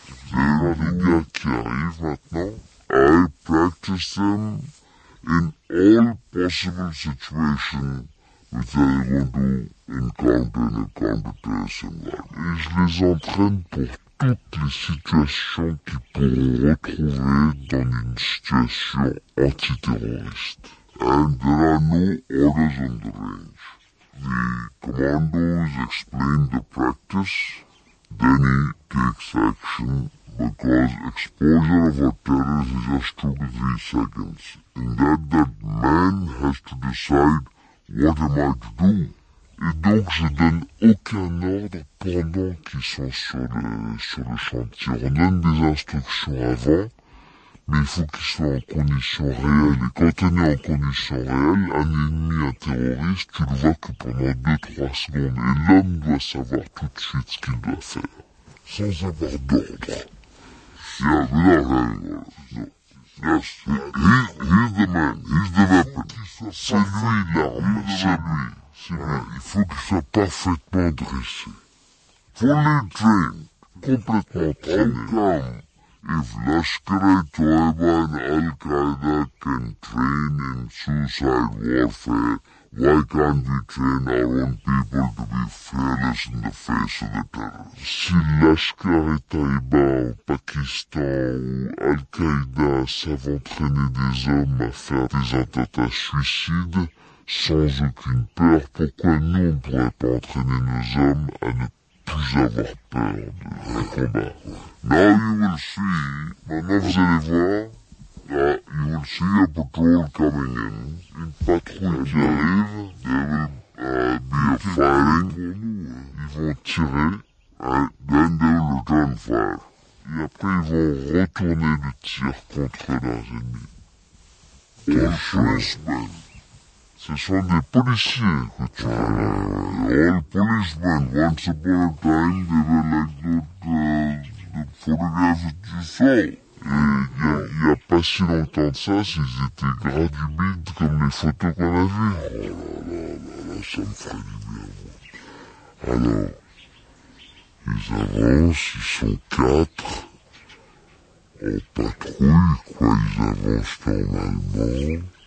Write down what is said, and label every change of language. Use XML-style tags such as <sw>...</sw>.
<en>There are the</en> <fr>gars qui arrivent maintenant.</fr> <en>I practice them in all possible situations that they want to encounter in a competition.</en> <fr>Et je les entraîne pour toutes les situations qu'ils pourront retrouver dans une situation antiterroriste.</fr> <en>And there are no orders on the range. The commandos explain the practice, then he takes action, because exposure of a terrorist is just 2 to 3 seconds. In that man has to decide, what am I to do?</en> <fr>Et donc, je donne aucun ordre pendant qu'ils sont sur le chantier. On donne des instructions avant, mais il faut qu'ils soient en condition réelle. Et quand on est en condition réelle, un ennemi, un terroriste, tu le vois que pendant 2-3 secondes. Et l'homme doit savoir tout de suite ce qu'il doit faire, sans avoir d'ordre.</fr> <en>Yeah, without having orders. Yes, he's the man, he's the weapon.</en> <fr>C'est lui l'arme, c'est lui. Il faut qu'il soit parfaitement dressé.</fr> <en>Fully trained.</en> <fr>Complètement</fr> <en>trained. If Lashkar-e Toiba and Al-Qaeda can train in suicide warfare, why can't we train our own people to be fearless in the face of the terror?</en> <fr>Si Lashkar-e Toiba au Pakistan ou Al-Qaeda savent entraîner des hommes à faire des attentats suicides, sans aucune peur, pourquoi nous on pourrait pas entraîner nos hommes à ne plus avoir peur de les combats?</fr> <en>Now you will see,</en> <fr>maintenant vous allez voir,</fr> <en>you will see a patrol coming in.</en> <fr>Une patrouille qui</fr> <en>arrive, there will be a firing,</en> <fr>ils vont tirer,</fr> <en>and then they will return fire.</en> <fr>Et après ils vont retourner le tir contre leurs ennemis.</fr> <en>Policemen.</en> <fr>Ce sont des policiers que tu as.</fr> <en>All policemen, once upon a time, they were like the photographs that you saw.</en> <fr>Et il y a pas si longtemps de ça, ils étaient gras du bide comme les photos qu'on a vues. Oh là là là là, ça me ferait du bien. Alors, ils avancent, ils sont 4. En patrouille, quoi, ils avancent normalement.</fr>